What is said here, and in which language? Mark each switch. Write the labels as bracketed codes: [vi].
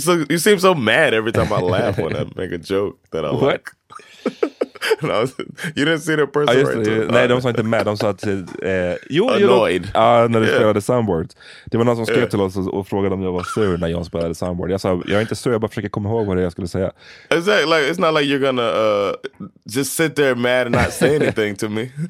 [en] You seem so mad every time I laugh when I make a joke that I like. No, you didn't see the person right there. [sv] Nej, de sa inte mad. De sa att... [en] Annoyed. [sv] Ja, när du spelade soundboard. Det var någon som skrev till oss och frågade om jag var sur när jag spelade soundboard. Jag sa, jag är inte sur, jag bara försöker komma ihåg vad det jag skulle säga. [en] Exactly. Like, it's not like you're gonna just sit there mad and not say anything to me.